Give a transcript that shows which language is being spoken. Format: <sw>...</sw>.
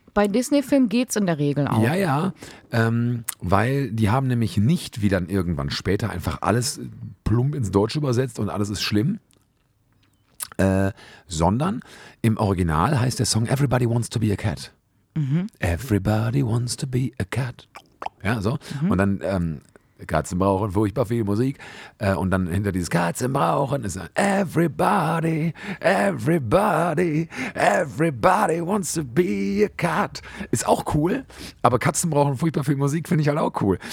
<de>Bei Disney-Filmen geht es in der Regel auch. Ja, ja. Weil die haben nämlich nicht, wie dann irgendwann später, einfach alles plump ins Deutsch übersetzt und alles ist schlimm. sondern im Original heißt der Song Everybody Wants to be a Cat. Mhm.</de> <en>Everybody wants to be a cat.</en> <de>Ja, so. Mhm. Und dann Katzen brauchen furchtbar viel Musik. Und dann hinter dieses Katzen brauchen ist dann</de> <en>Everybody, everybody, everybody wants to be a</en> <de>cat. Ist auch cool, aber Katzen brauchen furchtbar viel Musik finde ich halt auch cool.</de>